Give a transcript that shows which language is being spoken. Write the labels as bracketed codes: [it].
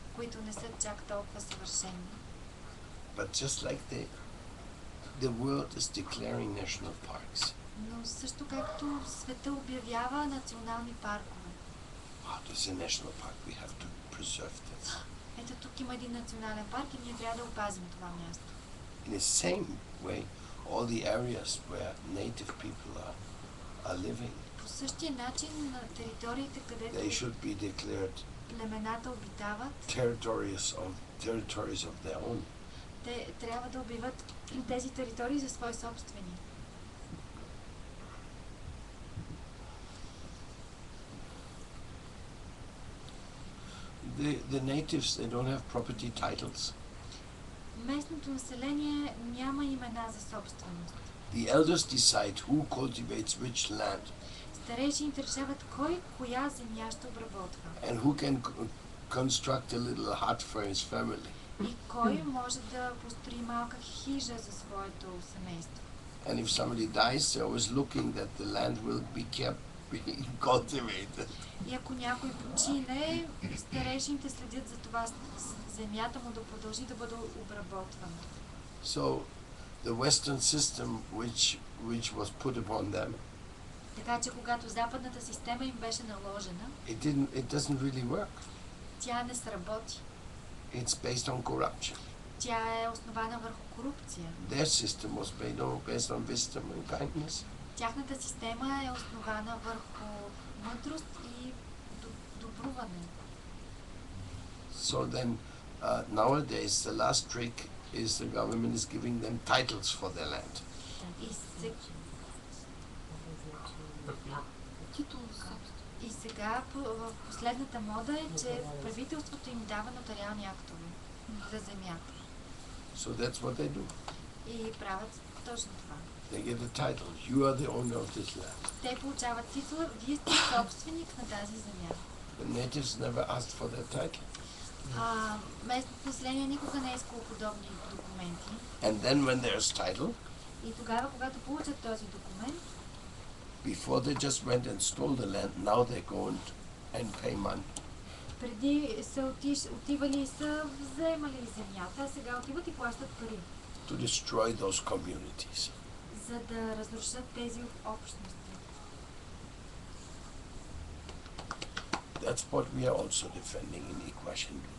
[bg] Които не са чак толкова съвършени. [en] But just like the world is declaring national parks. [bg] Но също както света обявява национални паркове. [en] Wow, this is a national park. We have to preserve this. [bg] Ето тук има един национален парк и ние трябва да опазим това място. [en] In the same way, all the areas where native people are living. [bg] По същия начин на териториите, където [en] they should be declared [bg] племената обитават [en] territories of their own. [bg] Те трябва да обиват тези територии за свои собствени. [en] The natives, they don't have property titles. [bg] Местното население няма имена за собственост. [en] The elders decide who cultivates which land. [bg] Старейшините решават кой коя земя ще обработва. [en] And who can construct a little hut for his family. [bg] И кой може да построи малка хижа за своето семейство. [en] And if somebody dies, they're always looking that the land will be kept being cultivated. [bg] И ако някой почине, старейшините следят за това земята му да продължи да бъде обработвана. [en] So the Western system which was put upon them. [bg] Така че когато западната система им беше наложена, [en] it doesn't really work. [bg] Тя не сработи. [en] It's based on corruption. [bg] Тя е основана върху корупция. [en] Their system was based on wisdom and kindness. [bg] Тяхната система е основана върху мъдрост и добруване. [en] So then, nowadays the last trick is the government is giving them titles for their land. [bg] И сега последната мода е, че правителството им дава нотариални актове за земята. [en] So that's what they do. [bg] И правят точно това. [en] They get the title. You are the owner of this land. [bg] Те получават титла, вие сте собственик на тази земя. [en] The natives never asked for their title. [bg] Местното население никога не е искало подобни документи. [en] And then when there is title. [bg] И тогава, когато получат този документ. [en] Before they just went and stole the land, now they go and pay money. [bg] Преди са отивали и са вземали земята, а сега отиват и плащат пари. [en] To destroy those communities. [bg] За да разрушат тези общности. [en] That's what we are also defending in equation.